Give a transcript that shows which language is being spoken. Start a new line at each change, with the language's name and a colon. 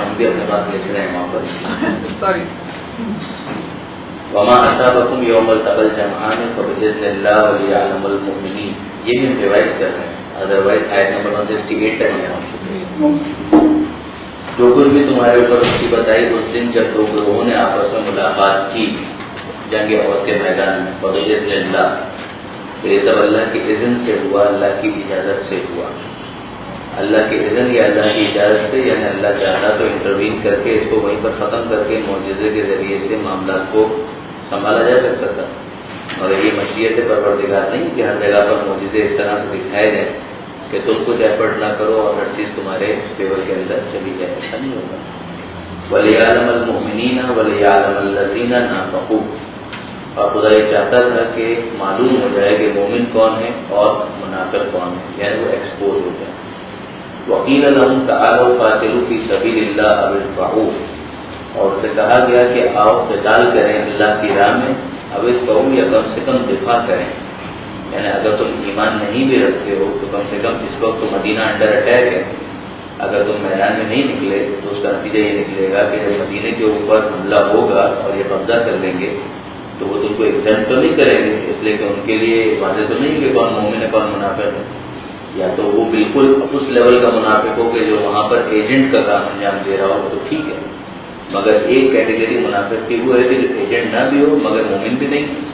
Urdu: ہم بھی اپنے بات لکھ رہے ہیں وہاں پر.
English: sorry,
Arabic: وما اصابكم يوم التقى الجمعان فبإذن الله وليعلم المؤمنين.
Urdu: یہ بھی ہم ریوائز کر رہے ہیں، ادروائز آیت نمبر 168 تک میں ہم جو کچھ بھی تمہارے اوپر کی بتائی اس دن جب دو گروہوں نے آپس میں ملاقات کی جنگ احد کے میدان میں،
Arabic: فبإذن الله،
Urdu: تو یہ سب اللہ کی اذن سے ہوا، اللہ کی اجازت سے ہوا. اللہ کی اذن یا اللہ کی اجازت سے، یعنی اللہ چاہتا تو انٹروین کر کے اس کو وہیں پر ختم کر کے معجزے کے ذریعے سے معاملات کو سنبھالا جا سکتا تھا، مگر یہ مشیت پروردگار نہیں کہ ہر جگہ پر معجزے اس طرح سے دکھائے جائیں کہ تم کچھ ایفرٹ نہ کرو اور ہر چیز تمہارے فیور کے اندر چلی جائے. ایسا نہیں ہوگا.
Arabic: ولیعلم المؤمنین ولیعلم الذین نافقوا.
Urdu: اور خدا یہ چاہتا تھا کہ معلوم ہو جائے کہ مومن کون ہے اور منافق کون ہے، یعنی وہ ایکسپوز ہو جائے.
Arabic: وقیل لهم تعالوا قاتلوا في سبيل الله او ادفعوا.
Urdu: اور اسے کہا گیا کہ آؤ قتال کریں اللہ کی راہ میں، اب اس کہوں یا کم سے کم دفاع کریں، یعنی اگر تم ایمان نہیں بھی رکھتے ہو تو کم سے کم اس وقت تو مدینہ
English: under attack
Urdu: ہے، اگر تم میدان میں نہیں نکلے تو اس کا نتیجہ یہ نکلے گا کہ جب مدینہ کے اوپر حملہ ہوگا اور یہ قبضہ کر لیں گے تو وہ تم کو ایگزمپٹ تو نہیں کریں گے، اس لیے کہ ان کے لیے واضح تو نہیں کہ کون مومن ہے کون منافق ہے، یا تو وہ بالکل اس لیول کا منافق ہو کہ جو وہاں پر ایجنٹ کا کام انجام دے رہا ہو تو ٹھیک ہے، مگر ایک کیٹیگری منافق کی وہ ہے کہ ایجنٹ نہ بھی ہو مگر مومن بھی نہیں.